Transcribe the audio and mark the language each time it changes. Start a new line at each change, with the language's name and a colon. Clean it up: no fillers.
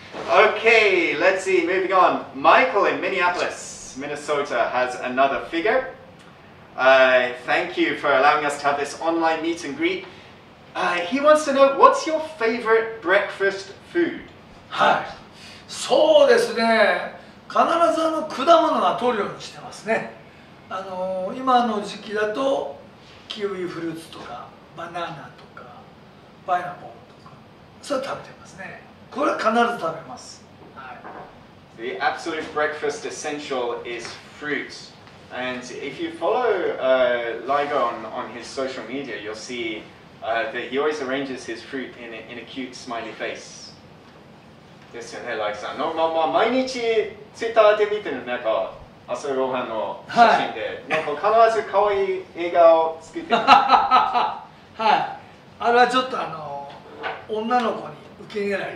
English: Okay, let's see, moving on. Michael in Minneapolis, Minnesota has another figure. Thank you for allowing us to have this online meet and greet. He wants to know, what's your favorite breakfast food?
Japanese: はい、そうですね。必ず果物は取るようにしてますね。今の時期だと、キウイフルーツとか、バナナとか、パイナポーとか、それ食べてますね。これは必ず食べます。
English: The absolute breakfast essential is fruit. And if you follow Liger on his social media, you'll see that he always arranges his fruit in a cute smiley face.
Japanese: ですよね、ライさん。毎日ツイッターで見てるなんか朝ごはんの写真で、はい、なんか必ず可愛い笑顔を作ってます。はい。あれはちょっと女の子に。